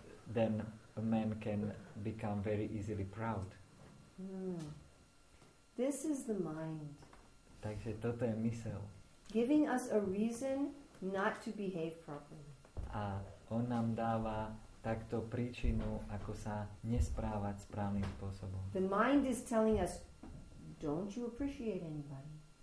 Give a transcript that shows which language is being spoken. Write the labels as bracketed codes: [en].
[en] Then a man can become very easily proud. This is the mind. [sk] Takže toto je mysel. [en] Giving us a reason not to behave properly. [sk] A on nám dáva takto príčinu, ako sa nesprávať správnym spôsobom. [en] The mind is telling us, don't you appreciate anybody?